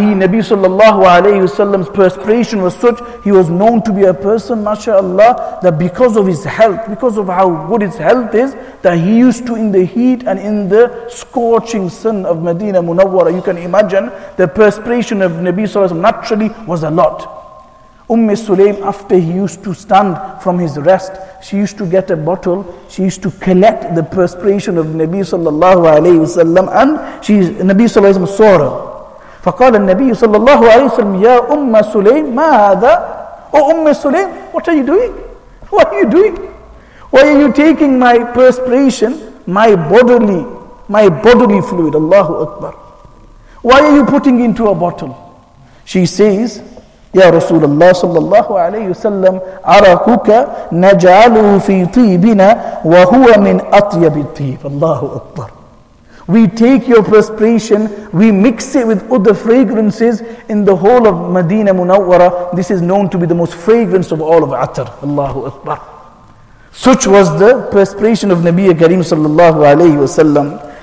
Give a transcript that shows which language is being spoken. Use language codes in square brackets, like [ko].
[en] Nabi sallallahu alayhi wa sallam's perspiration was such, he was known to be a person, mashallah, that because of his health, because of how good his health is, that he used to, in the heat and in the scorching sun of Medina Munawwara, you can imagine, the perspiration of Nabi sallallahu alayhi wa sallam naturally was a lot. Umm Sulaim, after he used to stand from his rest, she used to get a bottle, she used to collect the perspiration of Nabi sallallahu alayhi wa sallam, and she, Nabi sallallahu alayhi wa sallam, saw her. [ar] فقال النبي صلى الله عليه وسلم يا أم سليم ما هذا؟ [en] Oh [ar] أم سليم, [en] what are you doing? What are you doing? Why are you taking my perspiration, my bodily fluid, Allahu Akbar? Why are you putting into a bottle? She says, [ar] يا رسول الله صلى الله عليه وسلم عرقك نجعله في طيبنا وهو من أطيب الطيب. [en] Allahu Akbar. We take your perspiration, we mix it with other fragrances in the whole of Medina Munawwara. This is known to be the most fragrance of all of Atar. Allahu Akbar. Such was the perspiration of Nabi Kareem sallallahu alayhi wa sallam.